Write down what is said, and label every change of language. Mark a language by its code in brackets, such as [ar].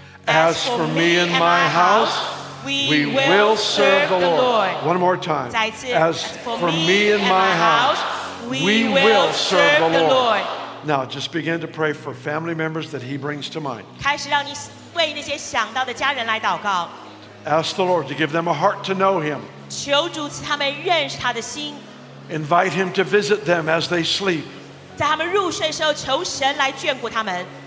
[en] As for me and my house, we will serve the Lord. One more time. [zh] 再一次。 [en] As for me and my house, we will serve the Lord. Now, just begin to pray for family members that He brings to mind. [zh] 开始让你为那些想到的家人来祷告。 [en] Ask the Lord to give them a heart to know Him. [zh] 求主赐他们认识他的心。 [en] Invite Him to visit them as they sleep. [zh] 在他们入睡的时候，求神来眷顾他们。